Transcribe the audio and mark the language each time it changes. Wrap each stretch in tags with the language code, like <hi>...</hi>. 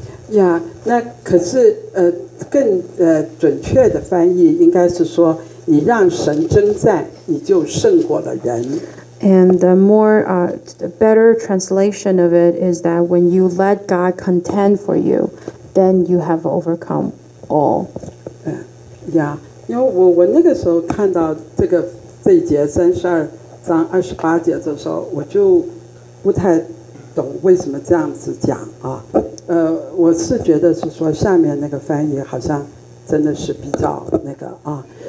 <zh>Yeah, 那可是更准确的翻译应该是说，你让神征战，你就胜过了人。</zh> <en>And the more, the better translation of it is that when you let God contend for you, then you have overcome all.</en> <zh>Yeah, 因为我那个时候看到这一节32:28的时候，我就不太懂为什么这样子讲啊。我是觉得是说下面那个翻译好像真的是比较那个啊。</zh>